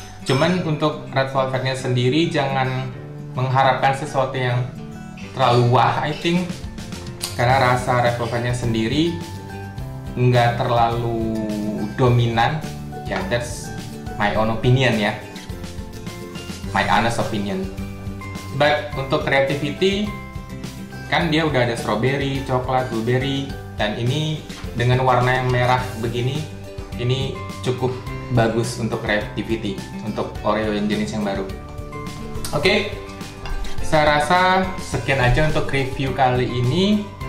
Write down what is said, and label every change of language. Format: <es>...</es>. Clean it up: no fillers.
<id>Cuman untuk red velvetnya sendiri jangan mengharapkan sesuatu yang terlalu wah,</id> <en>I think,</en> <id>karena rasa red velvetnya sendiri nggak terlalu dominan.</id> <en>Ya, yeah, that's my own opinion ya, my honest opinion.</en> <id>But untuk creativity, kan dia udah ada strawberry, coklat, blueberry, dan ini dengan warna yang merah begini, ini cukup bagus untuk creativity, untuk Oreo yang jenis yang baru. Oke, okay. Saya rasa sekian aja untuk review kali ini.</id>